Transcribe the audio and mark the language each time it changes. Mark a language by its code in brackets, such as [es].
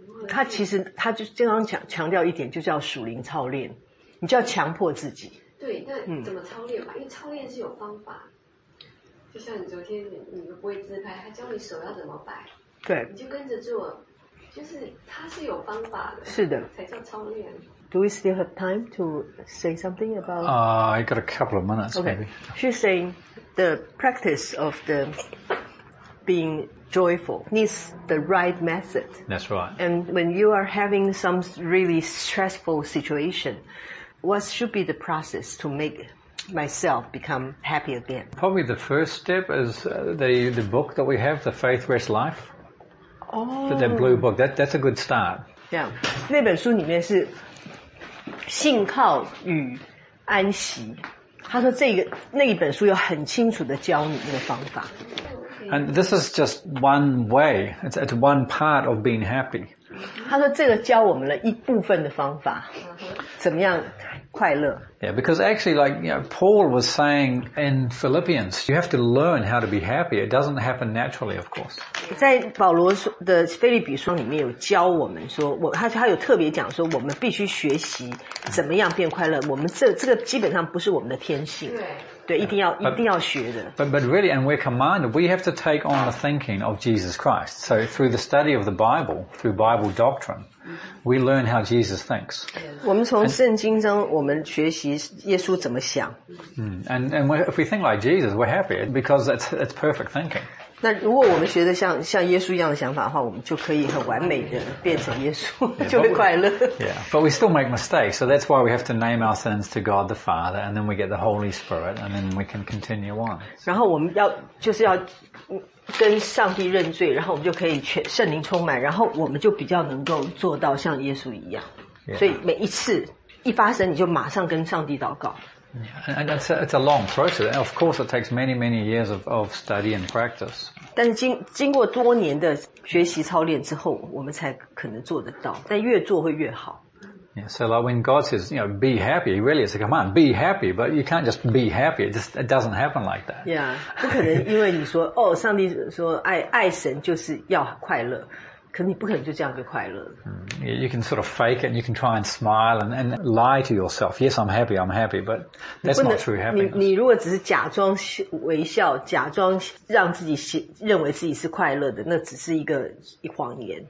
[zh] 他其实他就经常强调一点，就叫属灵操练，你就要强迫自己。对，那怎么操练吧？因为操练是有方法，就像你昨天你不会自拍，他教你手要怎么摆，对，你就跟着做，就是他是有方法的，是的，才叫操练。 [en] Do we still have time to say something about... I got a couple of minutes, okay. Maybe. She's saying the practice of the being joyful needs the right method. That's right. And when you are having some really stressful situation, what should be the process to make myself become happy again? Probably the first step is the book that we have, The Faith Rest Life. Oh. The blue book. That's a good start. Yeah. [zh] 那本书里面是信靠与安息，他说这个那一本书有很清楚的教你那个方法。 [en] And this is just one way. It's one part of being happy. [zh] 他说这个教我们了一部分的方法，怎么样快乐 [en] ？Yeah, because actually, like you know, Paul was saying in Philippians, you have to learn how to be happy. It doesn't happen naturally, of course. [zh] 在保罗的腓立比书里面有教我们说，他有特别讲说，我们必须学习怎么样变快乐。我们这个基本上不是我们的天性。对，一定要学的。 [en] But really, and we're commanded, we have to take on the thinking of Jesus Christ. So through the study of the Bible, through Bible doctrine, we learn how Jesus thinks. [zh] 我们从圣经中，我们学习耶稣怎么想。 [en] And if we think like Jesus, we're happy because it's perfect thinking. [zh] 那如果我们学的像耶稣一样的想法的话，我们就可以很完美的变成耶稣，就会快乐。 [en] Yeah, but we still make mistakes, so that's why we have to name our sins to God the Father, and then we get the Holy Spirit, and then we can continue on. [zh] 然后我们要就是要跟上帝认罪，然后我们就可以全圣灵充满，然后我们就比较能够做到像耶稣一样。 [en] Yeah. [zh] 所以每一次一发生，你就马上跟上帝祷告。 [en] Yeah, and it's a long process. Of course, it takes many years of study and practice. [zh] 但是经过多年的学习操练之后，我们才可能做得到。但越做会越好。 [en] Yeah, so like when God says, you know, be happy, really it's a command, be happy, but you can't just be happy. It doesn't happen like that. [zh] Yeah, 不可能因为你说哦，上帝说爱神就是要快乐。可你不可能就这样就快乐。嗯、 [en] you can sort of fake it, and you can try and smile and lie to yourself. Yes, I'm happy, but that's not true happiness. [zh] 你如果只是假装微笑，假装让自己认为自己是快乐的，那只是一个谎言。